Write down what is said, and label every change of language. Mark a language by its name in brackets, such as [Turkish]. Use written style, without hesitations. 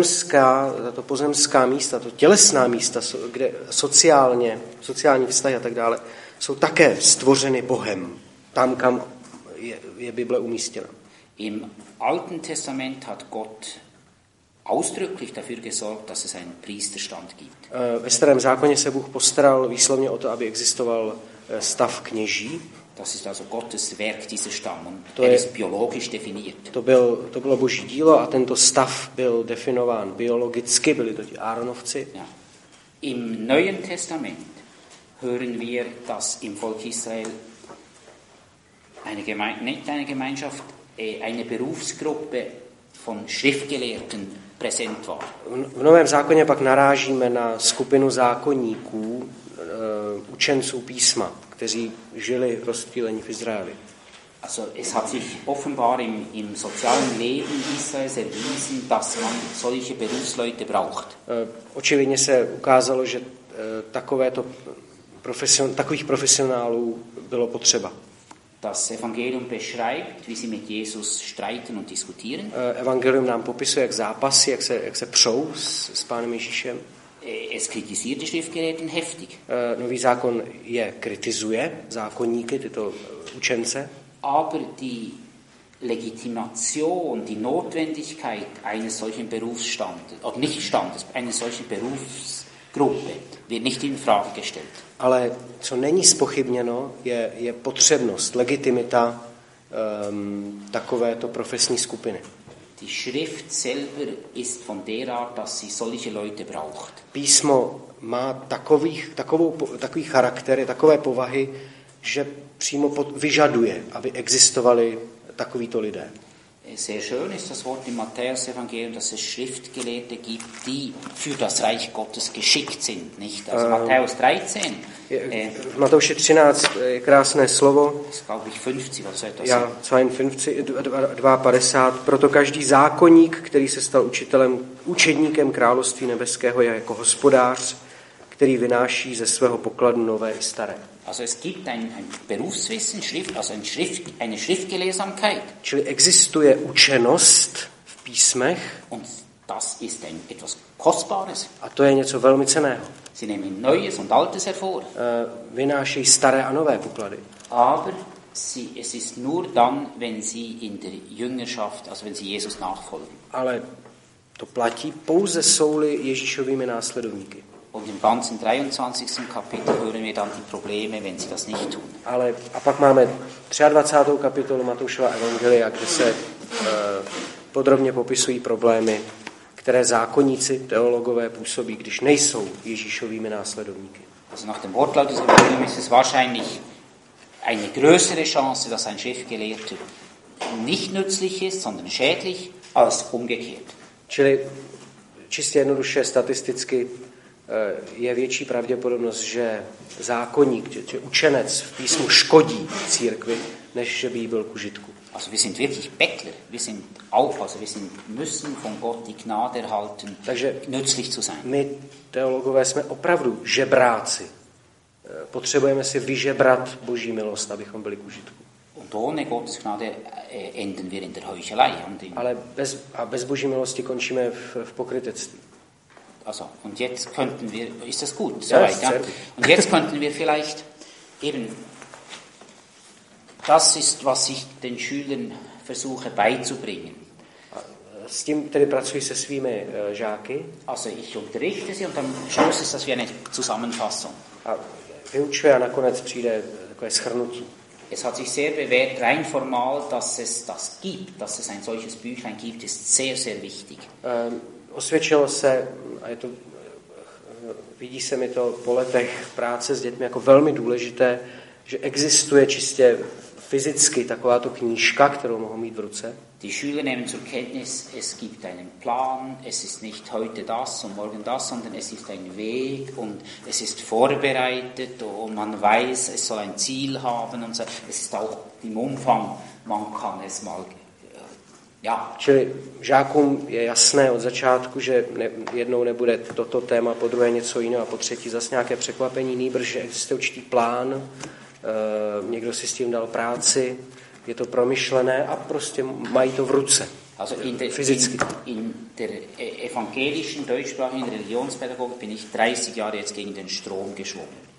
[Czech] Tato pozemská místa, to tělesná místa, kde sociální vztahy a tak dále, jsou také stvořeny Bohem, tam, kam je Bible umístěna. [German] Im Alten Testament hat Gott ausdrücklich dafür gesorgt, dass es einen Priesterstand gibt. [Czech] Ve starém zákoně se Bůh postaral výslovně o to, aby existoval stav kněží. [German] Das ist also Gottes Werk, dieser Stamm, und to er je, ist biologisch definiert. [Czech] To bylo Boží dílo a tento stav byl definován biologicky, byli to ti Aaronovci. [German] Ja. Im Neuen Testament hören wir, dass im Volk Israel eine Berufsgruppe von Schriftgelehrten präsent war. [Czech] V Novém zákoně pak narážíme na skupinu zákonníků, učenců písma, kteří žili rozptýlení v Izraeli. [German] Also es hat sich offenbar im sozialen Leben Israels erwiesen, dass man solche Berufsleute braucht. [Czech] Očividně se ukázalo, že takovéto takových profesionálů bylo potřeba. [German] Das Evangelium beschreibt, wie sie mit Jesus streiten und diskutieren. [Czech] Evangelium nám popisuje, jak zápasy, jak se přou s Pánem Ježíšem. [German] Es kritisiert die Schriftgelehrten heftig. [Czech] Nový zákon je kritizuje zákonníky, tyto učence. [German] Aber die Legitimation, die Notwendigkeit eines solchen Berufsstandes, oder nicht Standes, eines solchen Berufsgruppe, wird nicht in Frage gestellt. [Czech] Ale co není zpochybněno, je potřebnost, legitimita takovéto profesní skupiny. [German] Die Schrift selber ist von der Art, dass sie solche Leute braucht. [Czech] Písmo má takový charakter, takové povahy, že přímo vyžaduje, aby existovali takovýto lidé. [German] Sehr schön ist das Wort im Matthäus-Evangelium, dass es Schriftgelehrte gibt, die für das Reich Gottes geschickt sind, nicht? Also Matthäus 13. [Czech] V Matouši 13 je krásné slovo. [German] Glaube ich 50, also etwas. Ja, 52, 52. [Czech] Proto každý zákonník, který se stal učitelem, učedníkem Království nebeského, je jako hospodář, který vynáší ze svého pokladu nové i staré. [German] Also es gibt ein Berufswissen, Schrift, also eine Schriftgelehrsamkeit. [Czech] Čili existuje učenost v písmech. [German] Und das ist ein etwas kostbares. [Czech] A to je něco velmi cenného. [German] Sie nehmen Neues und Altes hervor. [Czech] Vynášejí staré a nové poklady. [German] Aber sie, es ist nur dann, wenn sie in der Jüngerschaft, also wenn sie Jesus nachfolgen. [Czech] Ale to platí pouze souli Ježíšovými následovníky. [German] Und im ganzen 23. Kapitel hören wir dann die Probleme, wenn sie das nicht tun. [Czech] Ale a pak máme 23. kapitolu Matoušova evangelia, kde se podrobně popisují problémy, které zákonníci, teologové působí, když nejsou Ježíšovými následovníky. [German] Also nach dem Wortlaut des Evangeliums ist es wahrscheinlich eine größere Chance, dass ein Schriftgelehrter nicht nützlich ist, sondern schädlich, als umgekehrt. [Czech] Čili čistě jednoduše statisticky je větší pravděpodobnost, že zákonník, že učenec v písmu škodí církvi, než že by jí byl k užitku. [German] Also wir sind wirklich Bettler, wir sind auch, also wir sind müssen von Gott die Gnade erhalten, nützlich zu sein. [Czech] My teologové jsme opravdu žebráci. Potřebujeme si vyžebrat Boží milost, abychom byli k užitku. [German] Und ohne Gottes Gnade enden wir in der Heuchelei. [Czech] Ale bez Boží milosti končíme v pokrytectví. [German] Also, und jetzt könnten wir, ist das gut, so weit, ja? Und jetzt könnten wir vielleicht eben, das ist, was ich den Schülern versuche beizubringen. [Czech] S tím tedy pracuji se svými žáky. [German] Also, ich unterrichte sie und am Schluss ist das wie eine Zusammenfassung. [Czech] A vyučuje a nakonec přijde takové shrnutí. [German] Es hat sich sehr bewährt, rein formal, dass es das gibt, dass es ein solches Büchlein gibt, ist sehr, sehr wichtig. [Czech] Osvědčilo se, a je to, vidí se mi to po letech práce s dětmi jako velmi důležité, že existuje čistě fyzicky takováto knížka, kterou mohou mít v ruce. [German] Die Schüler nehmen zur Kenntnis, es gibt einen Plan, es ist nicht heute das und morgen das, sondern es ist ein Weg und es ist vorbereitet und man weiß, es soll ein Ziel haben und so. Es ist auch im Umfang, man kann es mal. Ja. [Czech] Čili žákům je jasné od začátku, že jednou nebude toto téma, po druhé něco jiného a po třetí zase nějaké překvapení, nýbrž existuje určitý plán, někdo si s tím dal práci, je to promyšlené a prostě mají to v ruce. [German] Also [Czech] fyzicky. [German] In der evangelischen deutschsprachigen Religionspädagogik bin ich 30 Jahre jetzt gegen den Strom geschwommen.